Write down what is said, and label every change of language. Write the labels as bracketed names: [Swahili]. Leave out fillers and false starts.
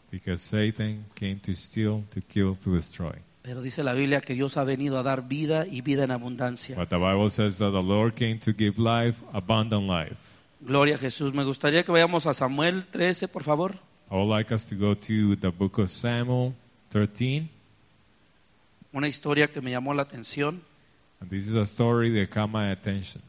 [English] Because Satan came to steal, to kill, to destroy. [Spanish] Pero dice la Biblia que Dios ha venido a dar vida y vida en abundancia. [English] But the Bible says that the Lord came to give life, abundant life. [Spanish] Gloria a Jesús. Me gustaría que vayamos a Samuel 13, por favor. [English] I would like us to go to the book of Samuel 13. [Spanish] Una historia que me llamó la atención. [English] And this is a story that caught my attention.